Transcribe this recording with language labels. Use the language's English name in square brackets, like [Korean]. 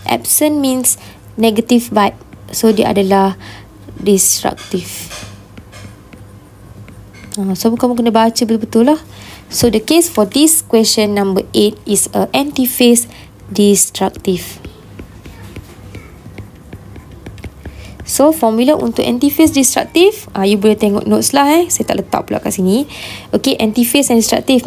[English] Absent means negative vibe. [Malay] So dia adalah disruptive. So kamu kena baca betul-betul lah. [English] So the case for this question number 8 is a anti-phase destructive. [Malay] So formula untuk anti-phase destructive, you boleh tengok notes lah eh. Saya tak letak pula kat sini. Okay, anti-phase and destructive.